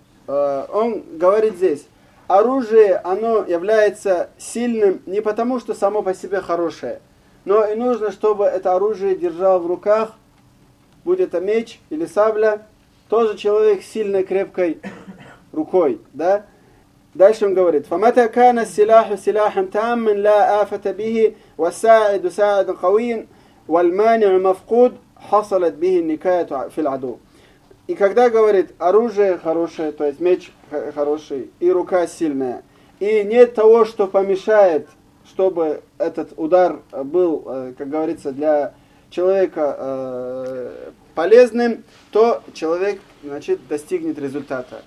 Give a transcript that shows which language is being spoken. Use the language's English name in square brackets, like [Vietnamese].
[Russian] Он говорит здесь, оружие, оно является сильным не потому, что само по себе хорошее, но и нужно, чтобы это оружие держал в руках, будь это меч или сабля, тоже человек с сильной, крепкой рукой, да? Дальше он говорит, [Arabic] فَمَتَا كَانَ السِّلَاحُ سِلَاحًا تَعَمَّنْ لَا آفَتَ بِهِ وَسَاعِدُ سَاعِدٌ قَوِيٌ وَالْمَانِعُ مَفْقُودٌ حَصَلَتْ بِهِ النِّكَايَةُ فِي الْعَدُو. [Russian] И когда говорит, оружие хорошее, то есть меч хороший и рука сильная, и нет того, что помешает, чтобы этот удар был, как говорится, для человека полезным, то человек, значит, достигнет результата.